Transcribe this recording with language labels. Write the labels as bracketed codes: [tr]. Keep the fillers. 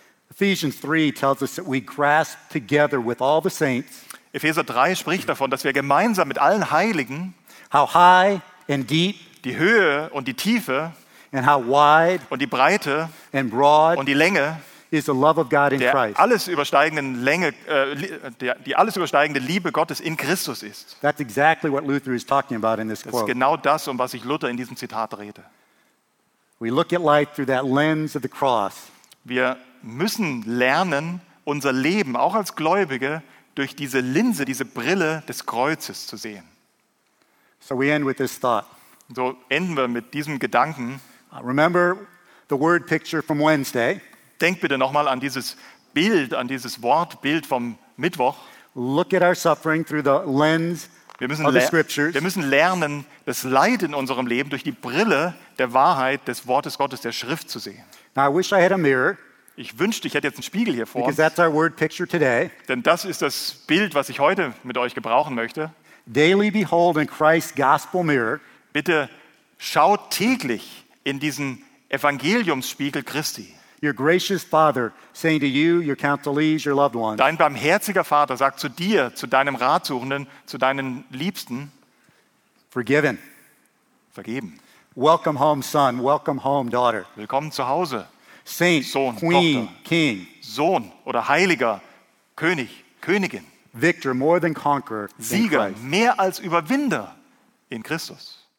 [de] Epheser 3 spricht davon, dass wir gemeinsam mit allen Heiligen [en] how high and deep [de] die Höhe und die Tiefe [en] and how wide [de] und die Breite [en] and broad [de] und die Länge [en] is the love of God in Christ. [de] Alles übersteigenden Länge die alles übersteigende Liebe Gottes in Christus ist. [en] That's exactly what Luther is talking about in this quote. [de] Das ist genau das, um was ich Luther in diesem Zitat rede. [en] We look at life through that lens of the cross. [de] Wir müssen lernen, unser Leben, auch als Gläubige, durch diese Linse, diese Brille des Kreuzes zu sehen. So, end so enden wir mit diesem Gedanken. [en] Uh, remember the word picture from Wednesday. [de] Denk bitte nochmal an dieses Bild, an dieses Wortbild vom Mittwoch. [en] Look at our suffering through the lens [de] wir müssen, [en] of the scriptures. [de] wir müssen lernen, das Leid in unserem Leben durch die Brille der Wahrheit des Wortes Gottes, der Schrift zu sehen. [en] Now I wish I had a mirror [de] ich wünschte, ich hätte jetzt einen Spiegel hier vor. Denn das ist das Bild, was ich heute mit euch gebrauchen möchte. [en] Daily behold in Christ's gospel mirror. [de] Bitte schaut täglich in diesen Evangeliumsspiegel Christi. [en] Your gracious Father saying to you, your counselees, your loved ones. [de] Dein barmherziger Vater sagt zu dir, zu deinem Ratsuchenden, zu deinen Liebsten. [en] Forgiven. [de] Vergeben. [en] Welcome home, son. Welcome home, daughter. [de] Willkommen zu Hause, Saint, Sohn, Queen, Tochter, King, Sohn oder Heiliger, König, Königin, Victor, Sieger, mehr als Überwinder in Christus.